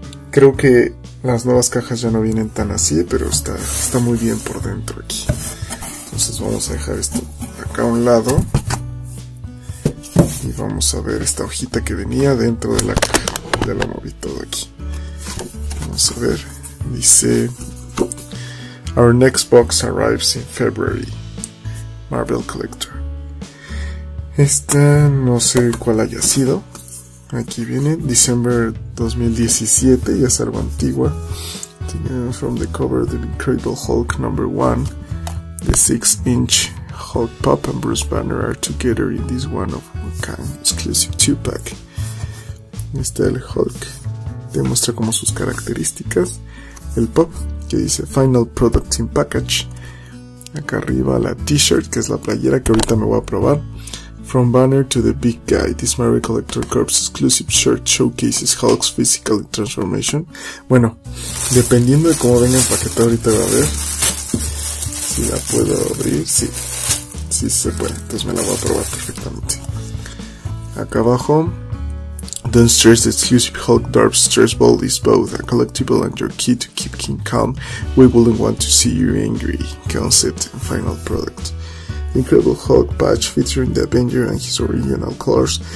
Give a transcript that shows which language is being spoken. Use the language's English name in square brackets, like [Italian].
[Spanish] Creo que las nuevas cajas ya no vienen tan así, pero está muy bien por dentro aquí. Entonces vamos a dejar esto acá a un lado. Y vamos a ver esta hojita que venía dentro de la caja. Ya lo moví todo aquí. Vamos a ver. Dice, [English] our next box arrives in February, Marvel Collector. [Spanish] Esta no sé cuál haya sido. Aquí viene, December 2017. Ya es algo antigua. [English] From the cover, The Incredible Hulk number 1. The 6-inch Hulk Pop and Bruce Banner are together in this one of one kind exclusive 2-pack. [Spanish] Está el Hulk. Demuestra como sus características. El pop, que dice [English] Final Product in Package. [Spanish] Acá arriba la t-shirt, que es la playera que ahorita me voy a probar. [English] From Banner to the Big Guy, this Marvel Collector Corps exclusive shirt showcases Hulk's physical transformation. [Spanish] Bueno, dependiendo de cómo venga el paquete, ahorita voy a ver si la puedo abrir. Sí. Sí se puede, entonces me la voy a probar perfectamente. Acá abajo, [English] don't stress, the exclusive Hulk Dark Stress Ball is both a collectible and your key to keep King calm. We wouldn't want to see you angry. Concept and final product. Incredible Hulk patch featuring the Avenger and his original colors.